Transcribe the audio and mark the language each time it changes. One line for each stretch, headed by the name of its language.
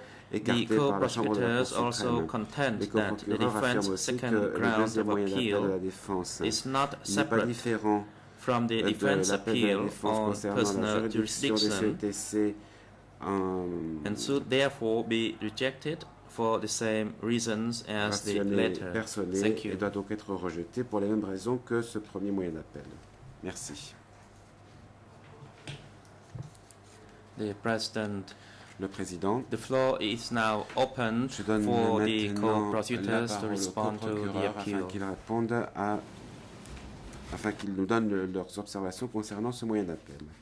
English: The co-prosecutors also contend that the defense second ground of appeal is not separate from the defense appeal on personal jurisdiction and should therefore be rejected for the same reasons as the latter. Thank you.
French: Et doit donc être rejeté pour les mêmes raisons que ce premier moyen d'appel. Merci.
English: The President.
French: Le Président.
English: The floor is now open for the co-prosecutors to respond to the appeal.
French: Afin qu'ils répondent à, afin qu'ils nous donnent leurs observations concernant ce moyen d'appel.